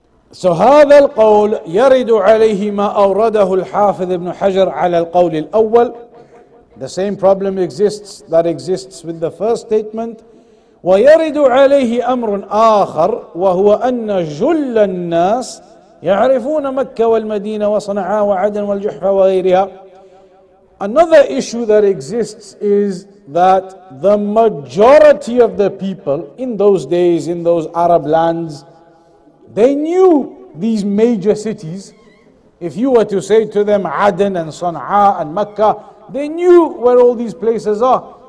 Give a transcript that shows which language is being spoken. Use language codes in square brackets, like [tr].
[ar] So هذا القول يرد عليه ما أورده الحافظ ابن حجر على القول الأول. [en] The same problem exists that exists with the first statement. [ar] ويرد عليه أمر آخر وهو أن جل الناس يعرفون مكة والمدينة وصنعاء وعدن والجحفة وغيرها. [en] Another issue that exists is that the majority of the people in those days, in those Arab lands, they knew these major cities. If you were to say to them Aden and Sana'a and Mecca, they knew where all these places are.